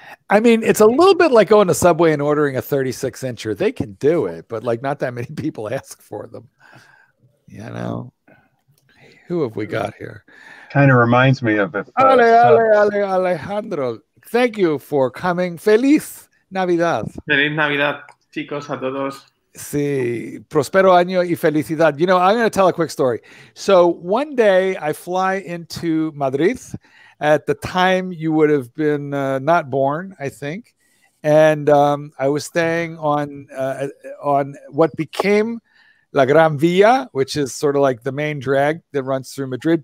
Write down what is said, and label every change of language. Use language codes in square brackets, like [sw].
[en] I mean, it's a little bit like going to Subway and ordering a 36 incher. They can do it, but like not that many people ask for them. You know, who have we got here? Kind of reminds me of it. Ale, Alejandro, thank you for coming. [es] Feliz Navidad. Feliz Navidad, chicos, a todos. Sí, prospero año y felicidad. [en] You know, I'm going to tell a quick story. So one day I fly into Madrid. At the time, you would have been not born, I think. And I was staying on what became La Gran Vía, which is sort of like the main drag that runs through Madrid.